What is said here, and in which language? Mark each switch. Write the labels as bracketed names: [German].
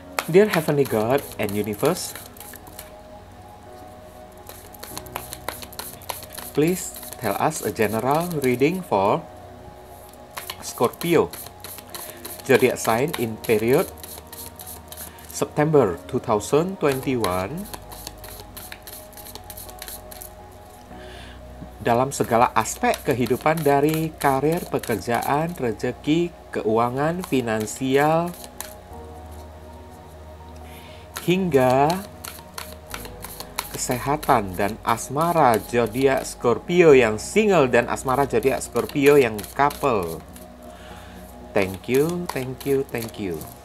[English] Dear Heavenly God and Universe, please tell us a general reading for Scorpio, zodiac sign in period September 2021. [Indonesian] Dalam segala aspek kehidupan dari karir, pekerjaan, rezeki, keuangan, finansial, hingga kesehatan dan asmara zodiak Scorpio yang single dan asmara zodiak Scorpio yang couple. [English] Thank you, thank you, thank you.